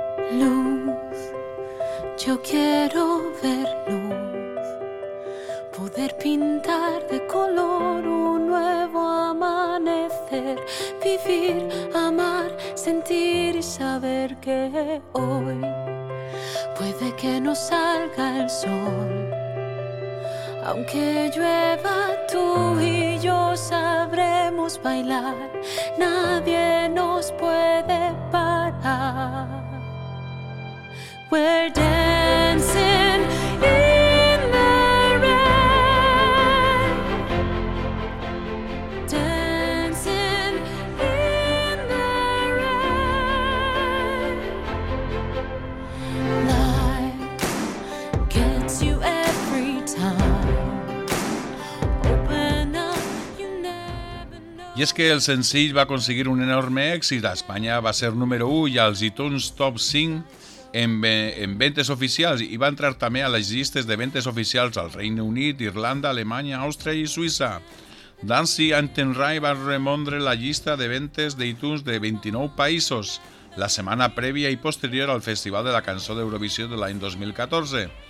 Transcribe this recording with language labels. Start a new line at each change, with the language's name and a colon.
Spanish: Luz, yo quiero ver luz, poder pintar de color un nuevo amanecer, vivir, amar, sentir y saber que hoy puede que no salga el sol, aunque llueva tú y yo sabremos bailar, nadie nos puede parar.
English: We're dancing in the rain. Dancing in the rain. Life gets you every time. Open up, you never know.
Catalan: I és que el senzill va aconseguir un enorme èxit. A Espanya va ser número 1 i als iTunes Top 5 en ventes oficials i va entrar també a les llistes de ventes oficials al Regne Unit, Irlanda, Alemanya, Àustria i Suïssa. Dancing in the Rain va remondre la llista de ventes d'iTunes de 29 països la setmana prèvia i posterior al Festival de la Cançó d'Eurovisió de l'any 2014.